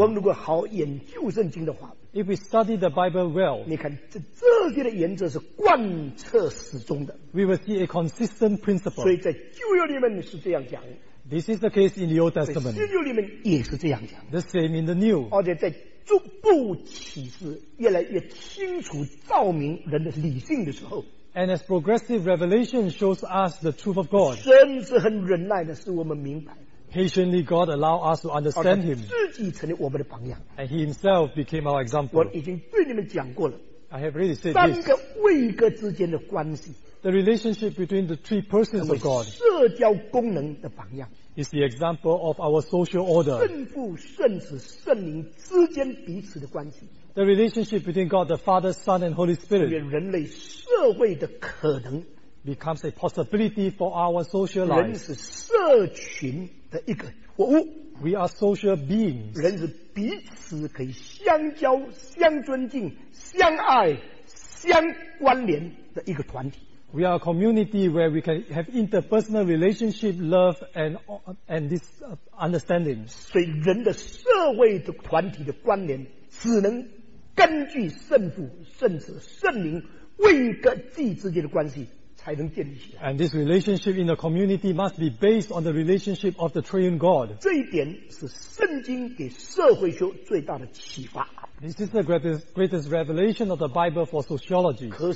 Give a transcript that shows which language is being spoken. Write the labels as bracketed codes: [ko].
[zh] 我们如果好研究圣经的话， [en] If we study the Bible well, [zh] 你看这些的原则是贯彻始终的。 [en] We will see a consistent principle. [zh] 所以在旧约里面是这样讲。 [en] This is the case in the Old Testament. [zh] 新约里面也是这样讲。 [en] The same in the New. [zh] 而且在逐步启示，越来越清楚照明人的理性的时候。 [en] And as progressive revelation shows us the truth of God, [zh] 神是很忍耐的，使我们明白。 [en] Patiently, God allowed us to understand Him. [zh] 自己成为我们的榜样。 [en] And He Himself became our example. [zh] 我已经对你们讲过了。 [en] I have already said [zh] 三个位格之间的关系。 [en] The relationship between the three persons of God. [zh] 社交功能的榜样。 [en] Is the example of our social order. [zh] 圣父、圣子、圣灵之间彼此的关系。 [en] The relationship between God the Father, Son, and Holy Spirit. [zh] 成为人类社会的可能。 [en] Becomes a possibility for our social life. [zh] 人是社群的一个活物。 [en] We are social beings. [zh] 人是彼此可以相交、相尊敬、相爱、相关联的一个团体。 [en] We are a community where we can have interpersonal relationship, love, and this understanding. [zh] 所以人的社会的团体的关联只能根据圣父、圣子、圣灵位格记之间的关系。 [en] And this relationship in the community must be based on the relationship of the triune God. This is the greatest revelation of the Bible for sociology.